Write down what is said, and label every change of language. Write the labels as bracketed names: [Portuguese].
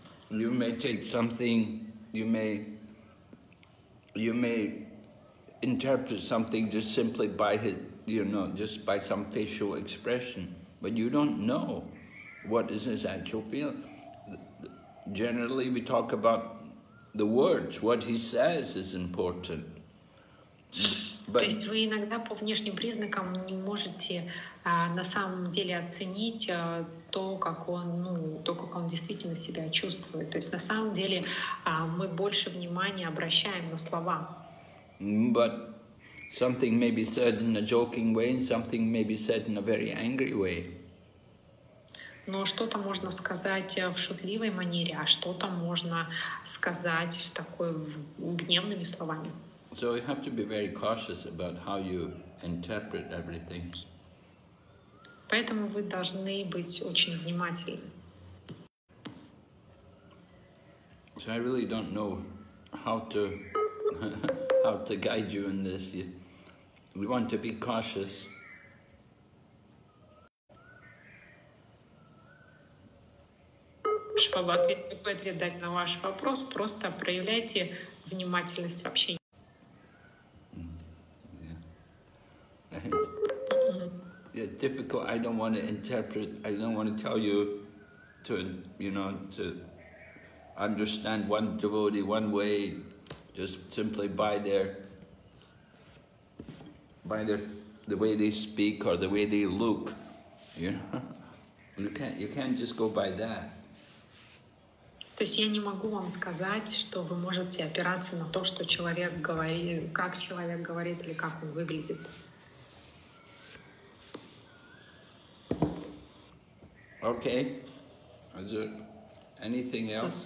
[English] You may take something, you may interpret something just simply by his, you know, just by some facial expression, but you don't know what is his actual feeling. Generally, we talk about the words, what he says is important. [Russian] То есть вы иногда по внешним признакам не можете на самом деле оценить то, как он, ну, то, как он действительно себя чувствует. То есть на самом деле мы больше внимания обращаем на слова. [English] But something may be said in a joking way, and something may be said in a very angry way. [Russian] Но что-то можно сказать в шутливой манере, а что-то можно сказать в такой гневными словами. [English] So you have to be very cautious about how you interpret everything. [Russian] Поэтому вы должны быть очень внимательны. [English] So I really don't know how to guide you in this. We want to be cautious. [Russian] Чтобы ответить на ваш вопрос, просто проявляйте внимательность в общении. [English] It's difficult. I don't want to interpret. I don't want to tell you to, you know, to understand one devotee one way, just simply by their the way they speak or the way they look. You know, you can't just go by that. [Russian] То есть я не могу вам сказать, что вы можете опираться на то, что человек говорит, как человек говорит или как он выглядит. [English] Okay. Is there anything else?